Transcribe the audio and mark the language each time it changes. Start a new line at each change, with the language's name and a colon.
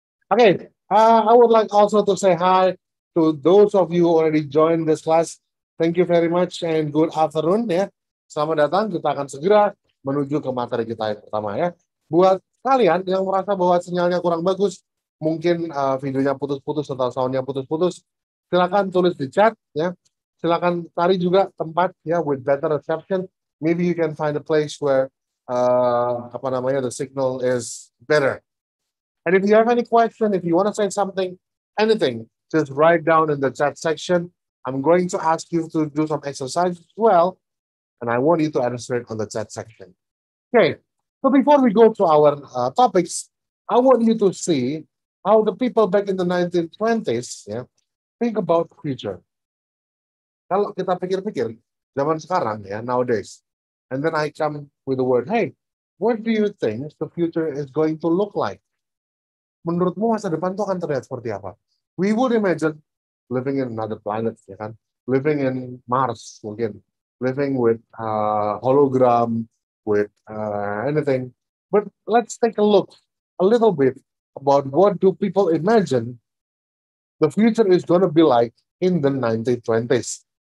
English: Okay, I would like also to say hi to those of you who already joined this class. Thank you very much and good afternoon, ya.
Indonesian: Selamat datang. Kita akan segera menuju ke materi kita yang pertama ya. Buat kalian yang merasa bahwa sinyalnya kurang bagus, mungkin videonya putus-putus atau soundnya putus-putus, silakan tulis di chat ya. Silakan cari juga tempat ya
English: with better reception. Maybe you can find a place where the signal is better. And if you have any question, if you want to say something, anything, just write down in the chat section. I'm going to ask you to do some exercise as well. And I want you to answer it on the chat section. Okay, so before we go to our topics, I want you to see how the people back in the 1920s, yeah, think about the future.
Indonesian: Kalau kita pikir-pikir, zaman sekarang,
English: yeah, nowadays, and then I come with the word, hey, what do you think the future is going to look like?
Indonesian: Menurutmu masa depan itu akan terlihat seperti apa?
English: We would imagine living in another planet, yeah, kan? Living in Mars, mungkin. Living with hologram, with anything. But let's take a look a little bit about what do people imagine the future is going to be like in the 1920s.